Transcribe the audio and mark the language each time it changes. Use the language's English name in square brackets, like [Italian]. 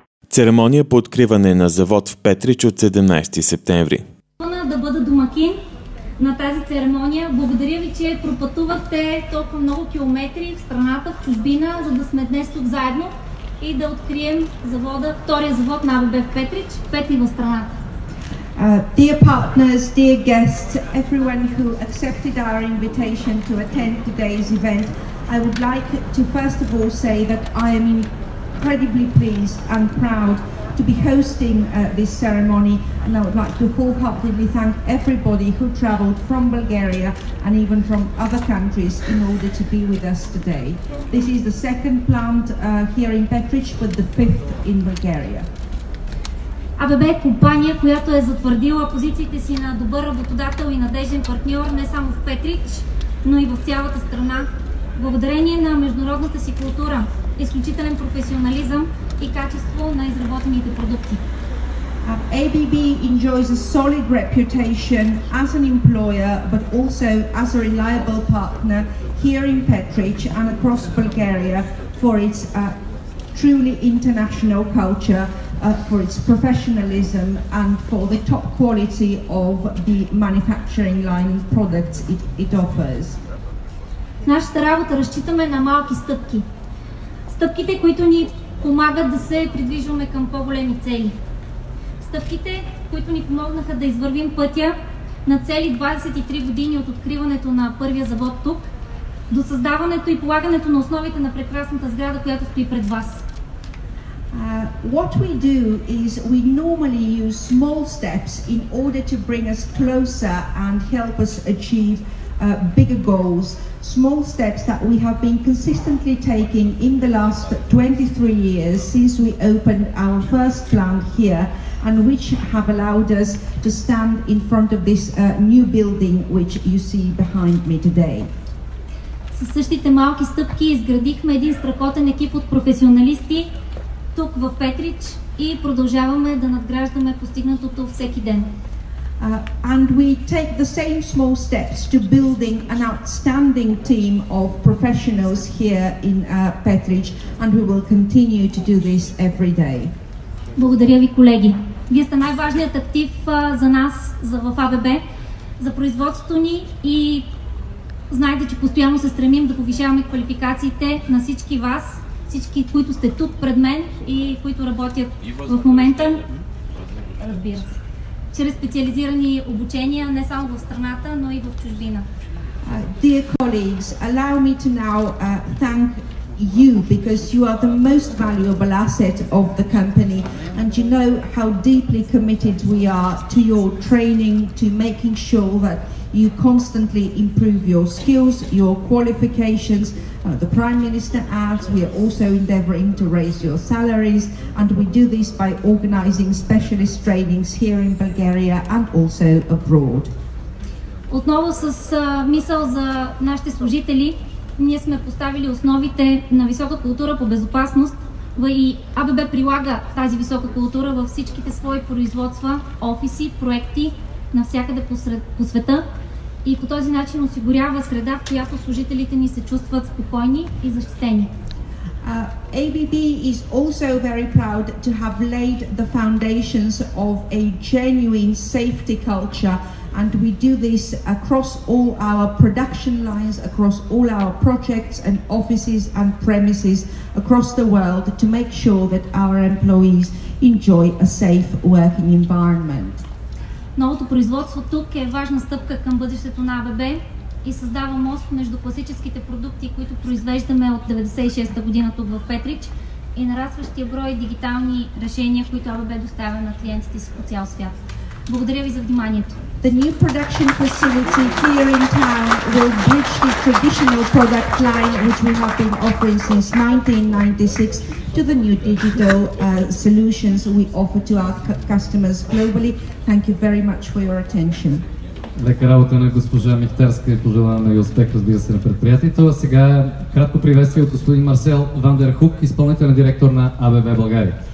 [Bulgarian] Церемония по откриване на завод в Петрич от 17 септември. Да бъда домакин на тази церемония. Благодаря ви, че пропътувахте толкова много километри в страната, в чужбина, за да сме днес тук заедно и да открием завода, втория завод на АБВ в Петрич, пети в страната. [English] Dear partners, dear guests, everyone who accepted our invitation to attend today's event, I would like to first of all say that I am incredibly pleased and proud to be hosting this ceremony, and I would like to wholeheartedly thank everybody who traveled from Bulgaria and even from other countries in order to be with us today. This is the second plant here in Petrich, but the fifth in Bulgaria. [Bulgarian] АББ е компания, която е затвърдила позициите си на добър работодател и надежден партньор не само в Петрич, но и в цялата страна. Благодарение на международната си култура, изключителен професионализъм и качество на изработените продукти. [English] ABB enjoys a solid reputation as an employer, but also as a reliable partner here in Petrich and across Bulgaria for its truly international culture, for its professionalism and for the top quality of the manufacturing line products it offers. [Bulgarian] В нашата работа разчитаме на малки стъпки. Стъпките, които ни помагат да се придвижваме към по-големи цели. Стъпките, които ни помогнаха да извървим пътя на цели 23 години от откриването на първия завод тук, до създаването и полагането на основите на прекрасната сграда, която стои пред вас. [English] What we do is we normally use small steps in order to bring us closer and help us achieve bigger goals. Small steps that we have been consistently taking in the last 23 years since we opened our first plant here, and which have allowed us to stand in front of this new building which you see behind me today. [Bulgarian] Със същите малки стъпки изградихме един страхотен екип от професионалисти тук в Петрич и продължаваме да надграждаме постигнатото всеки ден. [English] And we take the same small steps to building an outstanding team of professionals here in Petrich, and we will continue to do this every day. [Bulgarian] Благодаря ви, колеги. Вие сте най-важният актив за нас, в АББ, за производството ни и знаете, че постоянно се стремим да повишаваме квалификациите на всички вас, всички, които сте тук пред мен и които работят в момента. Разбира се. Чрез специализирани обучения, не само в страната, но и в чужбина. [English] Dear colleagues, allow me to now thank you, because you are the most valuable asset of the company, and you know how deeply committed we are to your training, to making sure that you constantly improve your skills, your qualifications. The Prime Minister adds, we are also endeavouring to raise your salaries, and we do this by organising specialist trainings here in Bulgaria and also abroad. [Bulgarian] Отново с мисъл за нашите служители, ние сме поставили основите на висока култура по безопасност и АББ прилага тази висока култура във всичките свои производства, офиси, проекти, навсякъде по света. И по този начин осигурява среда, в която служителите ни се чувстват спокойни и защитени. [English] ABB is also very proud to have laid the foundations of a genuine safety culture, and we do this across all our production lines, across all our projects and offices and premises across the world to make sure that our employees enjoy a safe working environment. [Bulgarian] Новото производство тук е важна стъпка към бъдещето на АББ и създава мост между класическите продукти, които произвеждаме от 96-та година тук в Петрич, и нарастващия брой дигитални решения, които АББ доставя на клиентите си по цял свят. Благодаря ви за вниманието. [English] The new production facility here in town will bridge the traditional product line, which we have been offering since 1996, to the new digital solutions we offer to our customers globally. Thank you very much for your attention. [Bulgarian] Лека работа на госпожа Михтарска и пожелаваме и успех, разбира се, на предприятието. А сега кратко приветствие от господин Марсел Ван дер Хук, изпълнителен директор на АББ България.